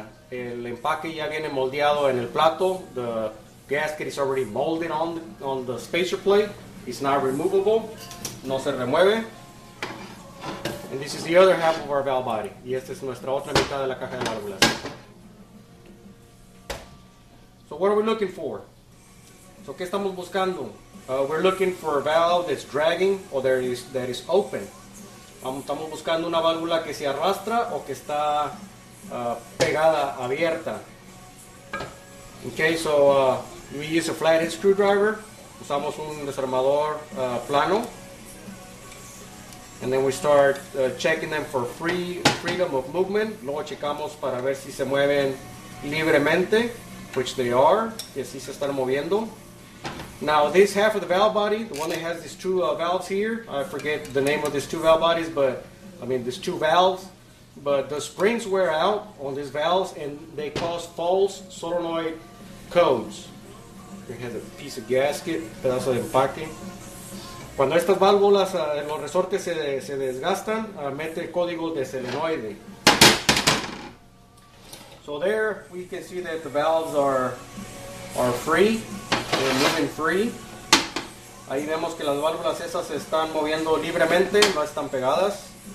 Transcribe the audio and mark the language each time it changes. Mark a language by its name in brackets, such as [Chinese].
[Spanish] El empaque ya viene moldeado en el plato. [English] The gasket is already molded on the spacer plate. It's not removable. [Spanish] No se remueve. [English] And this is the other half of our valve body. [Spanish] Y esta es nuestra otra mitad de la caja de válvulas. [English] So what are we looking for? So [Spanish] ¿qué estamos buscando? [English] We're looking for a valve that's dragging or that is open. [Spanish] Estamos buscando una válvula que se arrastra o que está pegada, abierta. [English] Okay, so we use a flathead screwdriver. [Spanish] Usamos un desarmador plano. [English] And then we start checking them for freedom of movement. [Spanish] Luego checamos para ver si se mueven libremente, [English] which they are, [Spanish] que sí se están moviendo. [English] Now this half of the valve body, the one that has these two valves here, I forget the name of these two valve bodies, but I mean these two valves, but the springs wear out on these valves and they cause false solenoid codes. They have a piece of gasket, pedazo de empaque. [Spanish] Cuando estas válvulas, los resortes se desgastan, mete códigos de solenoide. [English] So there we can see that the valves are free. They're moving free. [Spanish] Ahí vemos que las válvulas esas se están moviendo libremente, no están pegadas.